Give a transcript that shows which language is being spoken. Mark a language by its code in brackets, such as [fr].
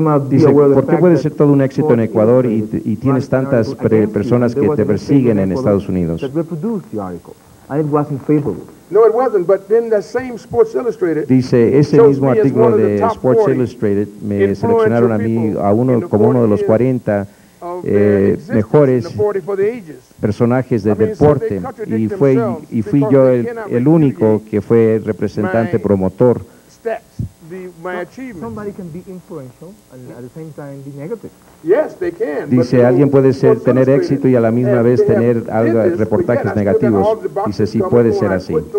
[es] Dice, ¿por qué puede ser todo un éxito en Ecuador y tienes tantas personas que te persiguen en Estados Unidos? [en] And it wasn't favorable. No, it wasn't, but then the same Sports Illustrated. [es] Dice, ese mismo artículo de Sports Illustrated me seleccionaron a mí a uno como uno de los 40 mejores personajes de deporte, y fui yo el único que fue representante promotor. [en] Somebody can be influential and at the same time be negative. Yes, they can. [es] Dice, alguien puede ser tener éxito y a la misma vez tener algo reportajes negativos. Dice, sí, puede ser así.